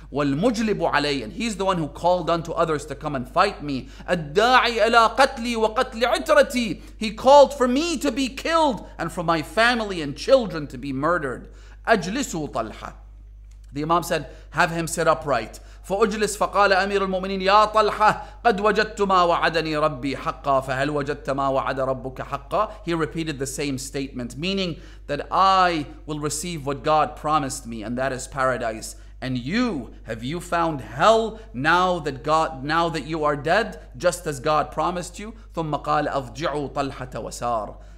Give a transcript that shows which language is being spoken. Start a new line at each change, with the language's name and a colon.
Arabic: وَالْمُجْلِبُ عَلَيْهِ.
English: And he's the one who called on to others to come and fight me.
Arabic: الدَّاعِ إِلَىٰ قَتْلِي وَقَتْلِ عِتْرَتِي.
English: He called for me to be killed and for my family and children to be murdered.
Arabic: أَجْلِسُوا طَلْحَ.
English: The Imam said, have him sit upright.
Arabic: فأجلس فقال أمير المؤمنين يا طلحة قد وجدت ما وعدني ربي حقا فهل وجدت ما وعد ربك حقا.
English: He repeated the same statement, meaning that I will receive what God promised me, and that is paradise. And you, have you found hell now that you are dead, just as God promised you?
Arabic: ثم قال أضجعوا طلحة وسار.